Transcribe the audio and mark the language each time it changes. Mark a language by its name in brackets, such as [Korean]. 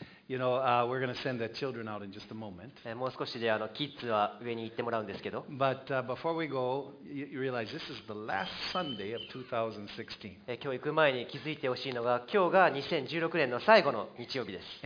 [English] You know, we're going to send the children out in just a moment. [Japanese] もう少しで、キッズは上に行ってもらうんですけど。 [English] But before we go, you realize this is the last Sunday of 2016. [Japanese] 今日行く前に気づいてほしいのが、今日が2016年の最後の日曜日です。